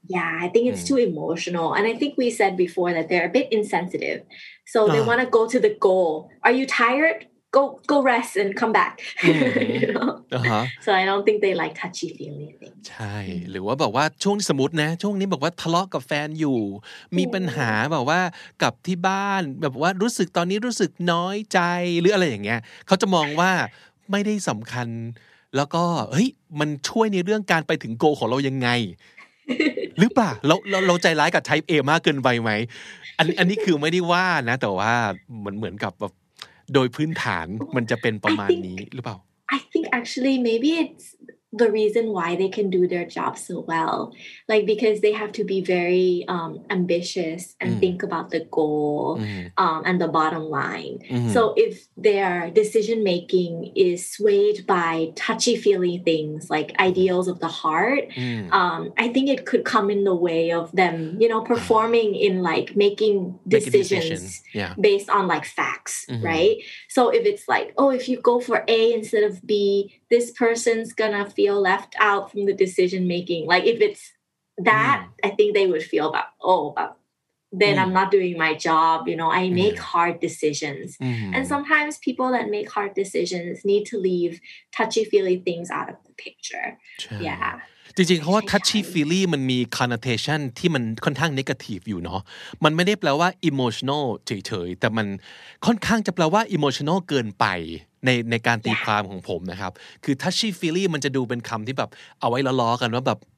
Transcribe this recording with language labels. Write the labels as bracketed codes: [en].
[en] Yeah, I think it's too emotional, and I think we said before that they're a bit insensitive, so they want to go to the goal. Are you tired? Go rest and come back. So I don't think they like touchy feely things. [th] ใช่หรือว่าบอกว่าช่วงสมมตินะช่วงนี้บอกว่าทะเลาะกับแฟนอยู่มีปัญหาแบบว่ากับที่บ้านแบบว่ารู้สึกตอนนี้รู้สึกน้อยใจหรืออะไรอย่างเงี้ยเขาจะมองว่าไม่ได้สำคัญแล้วก็เฮ้ยมันช่วยในเรื่องการไปถึงโกของเรายังไงหรือเปล่าเราใจร้ายกับ type A มากเกินไปไหมอันนี้คือไม่ได้ว่านะแต่ว่าเหมือนกับแบบโดยพื้นฐานมันจะเป็นประมาณนี้หรือเปล่า [en] I think actually maybe it's the reason why they can do their job so well. Like, because they have to be very ambitious and think about the goal and the bottom line. So if their decision-making is swayed by touchy-feely things, like ideals of the heart, I think it could come in the way of them, you know, performing in, like, making decisions based on, like, facts, right? So if it's like, oh, if you go for A instead of B,this person's gonna feel left out from the decision making. Like if it's that, I think they would feel about, I'm not doing my job. You know, I make hard decisions. And sometimes people that make hard decisions need to leave touchy-feely things out of the picture. Yeah. [th] จริงๆเพราะว่า touchy feely มันมี connotation ที่มันค่อนข้าง negative อยู่เนาะมันไม่ได้แปลว่า emotional เฉยๆแต่มันค่อนข้างจะแปลว่า emotional เกินไปในการตีความของผมนะครับคือ touchy feely มันจะดูเป็นคำที่แบบเอาไว้ล้อๆกันว่าแบบ